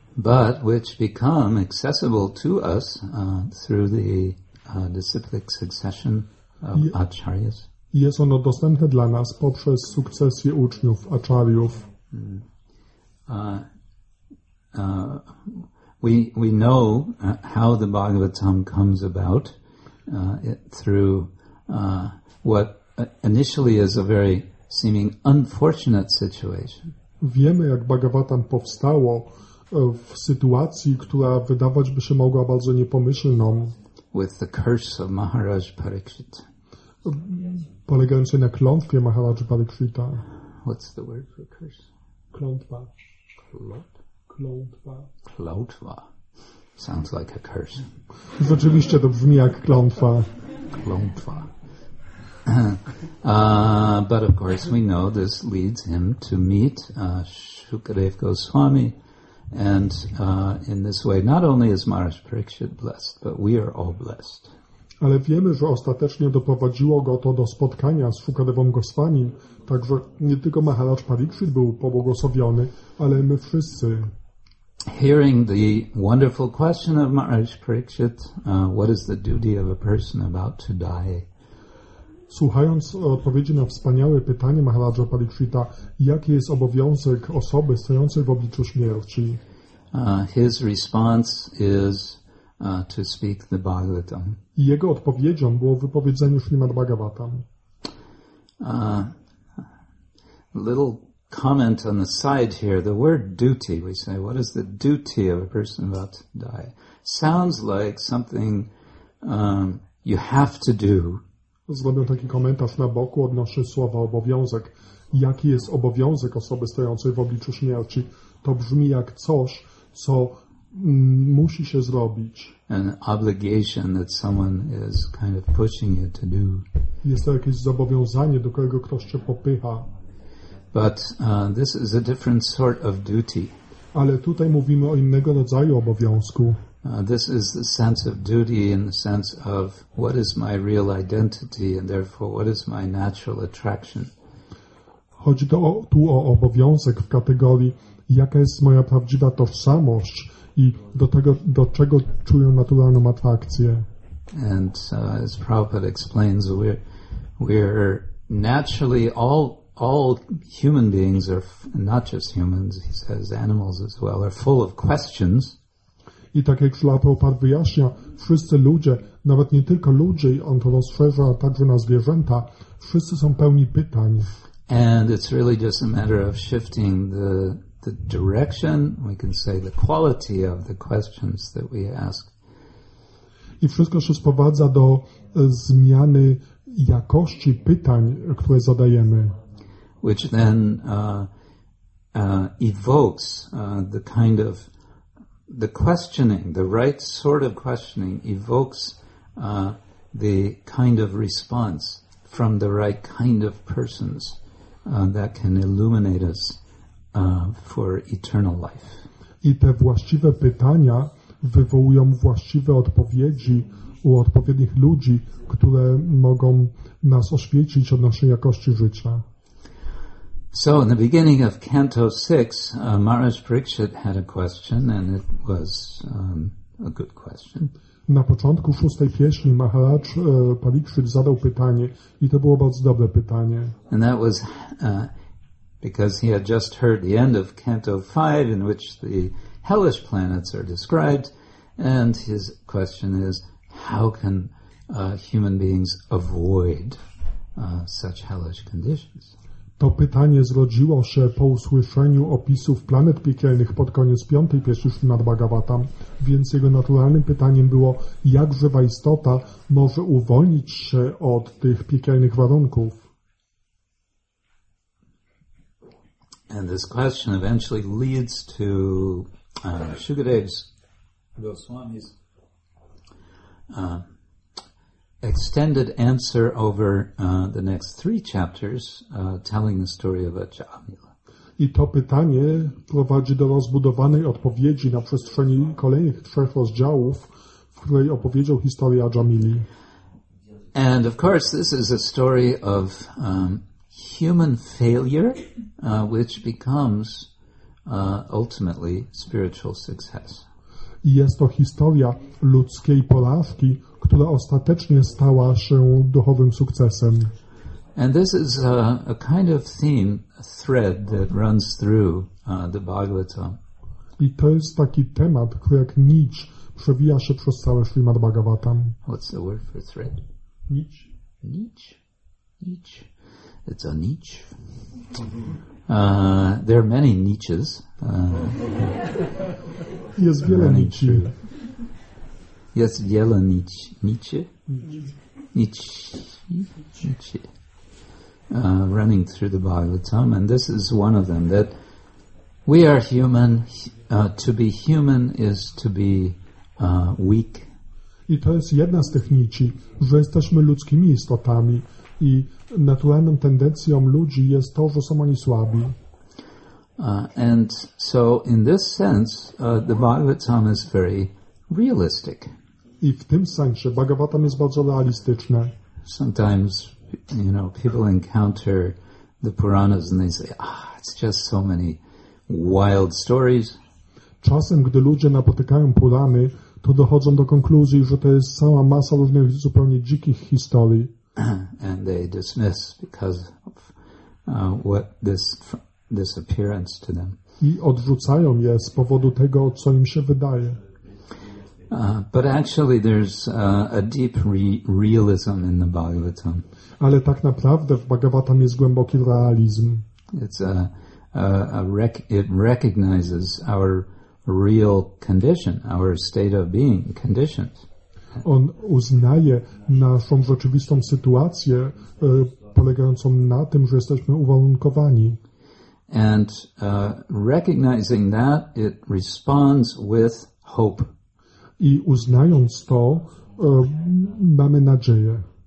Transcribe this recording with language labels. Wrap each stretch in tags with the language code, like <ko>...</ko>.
<en>But which become accessible to us through the disciplic succession of acharyas.</en> <pl>Jest ono dostępne dla nas poprzez sukcesję uczniów, acharyów.</pl> <en>We know how the Bhagavatam comes about through what initially is a very seeming unfortunate situation.</en> <pl>Wiemy, jak Bhagavatam powstało w sytuacji, która wydawać by się mogła bardzo niepomyślną.</pl> <en>With the curse of Maharaj Parikshit.</en> <pl>Polegającej na klątwie Maharaj Parikshita.</pl> <en>What's the word for curse?</en> <pl>Klątwa. Klątwa. Klątwa.</pl> <en>Sounds like a curse.</en> <pl>Rzeczywiście to brzmi jak klątwa. Klątwa.</pl> <en>But of course we know this leads him to meet Shukadev Goswami, and in this way not only is Maharaj Parikshit blessed, but we are all blessed.</en> <pl>Ale wiemy, że ostatecznie doprowadziło go to do spotkania z Shukadevą Goswami, także nie tylko Maharaj Parikshit był pobłogosławiony, ale my wszyscy.</pl> <en>Hearing the wonderful question of Maharaj Parikshit, what is the duty of a person about to die?</en> <pl>Słuchając odpowiedzi na wspaniałe pytanie Maharaja Parikshita, jaki jest obowiązek osoby stojącej w obliczu śmierci?</pl> <en>His response is to speak the Bhagavatam.</en> <pl>Jego odpowiedzią było wypowiedzenie Śrimad Bhagavatam.</pl> <en>Little comment on the side here. The word duty, we say, what is the duty of a person about to die? Sounds like something you have to do.</en> <pl>Zrobię taki komentarz na boku odnośnie słowa obowiązek. Jaki jest obowiązek osoby stojącej w obliczu śmierci? To brzmi jak coś, co musi się zrobić.</pl> <en>An obligation that someone is kind of pushing you to do.</en> <pl>Jest to jakieś zobowiązanie, do którego ktoś cię popycha.</pl> <en>But this is a different sort of duty.</en> <pl>Ale tutaj mówimy o innego rodzaju obowiązku.</pl> <en>This is the sense of duty in the sense of what is my real identity and therefore what is my natural attraction.</en> <pl>Chodzi tu o obowiązek w kategorii jaka jest moja prawdziwa tożsamość i do tego, do czego czuję naturalną atrakcję.</pl> <en>And as Prabhupada explains, we're naturally all human beings are not just humans, he says animals as well, are full of questions.</en> <pl>I tak jak Śrila Prabhupada wyjaśnia, wszyscy ludzie, nawet nie tylko ludzie, on to rozszerza także na zwierzęta, wszyscy są pełni pytań.</pl> <en>And it's really just a matter of shifting the direction, we can say the quality of the questions that we ask.</en> <pl>I wszystko się sprowadza do zmiany jakości pytań, które zadajemy.</pl> <en>Which then evokes the kind of the questioning, the right sort of questioning, evokes the kind of response from the right kind of persons that can illuminate us for eternal life.</en> <pl>I te właściwe pytania wywołują właściwe odpowiedzi u odpowiednich ludzi, które mogą nas oświecić od naszej jakości życia.</pl> <en>So in the beginning of Canto 6, Maharaj Parikshit had a question, and it was a good question.</en> <pl>Na początku szóstej pieśni Maharaj Parikshit zadał pytanie, i to było bardzo dobre pytanie.</pl> <en>And that was because he had just heard the end of Canto 5, in which the hellish planets are described, and his question is, how can human beings avoid such hellish conditions.</en> <pl>To pytanie zrodziło się po usłyszeniu opisów planet piekielnych pod koniec piątej pieśni Śrimad Bhagavatam, więc jego naturalnym pytaniem było, jak żywa istota może uwolnić się od tych piekielnych warunków.</pl> <en>And this question eventually leads to Shukadev's Goswami's extended answer over the next three chapters, telling the story of Vajramila.</en> <pl>I to pytanie prowadzi do rozbudowanej odpowiedzi na przestrzeni kolejnych trzech rozdziałów, w której opowiedział historię Vajramili.</pl> <en>And of course, this is a story of human failure, which becomes ultimately spiritual success.</en> <pl>I jest to historia ludzkiej porażki, która ostatecznie stała się duchowym sukcesem.</pl> <en>And this is a kind of theme, a thread that runs through the Bhagavatam.</en> <pl>I to jest taki temat, który jak nić przewija się przez całe Śrimad Bhagavatam.</pl> <en>What's the word for thread?</en> <pl>Nić. Nić. Nić.</pl> <en>It's a</en> <pl>nić.</pl> <en>There are many niches.</en> <pl>Jest wiele niczy. Jest wiele niczy. Niczy.</pl> <en>Running through the Bhagavatam. And this is one of them, that we are human. To be human is to be weak.</en> <pl>I to jest jedna z tych niczy, że jesteśmy ludzkimi istotami. I naturalną tendencją ludzi jest to, że są oni słabi.</pl> <en>And so in this sense, the Bhagavatam is very realistic.</en> <pl>I w tym sensie Bhagavatam jest bardzo realistyczne.</pl> <en>Sometimes, you know, people encounter the Puranas and they say, ah, it's just so many wild stories.</en> <pl>Czasem, gdy ludzie napotykają Purany, to dochodzą do konkluzji, że to jest cała masa różnych zupełnie dzikich historii.</pl> <en>And they dismiss because of what this appearance to them.</en> <pl>I odrzucają je z powodu tego, co im się wydaje.</pl> <en>But actually there's a deep realism in the Bhagavatam.</en> <pl>Ale tak naprawdę w Bhagavatam jest głęboki realizm.</pl> <en>It's it recognizes our real condition, our state of being conditions.</en> <pl>On uznaje naszą rzeczywistą sytuację polegającą na tym, że jesteśmy uwarunkowani.</pl> <en>And recognizing that, it responds with hope.</en> <pl>I uznając to, mamy nadzieję.</pl>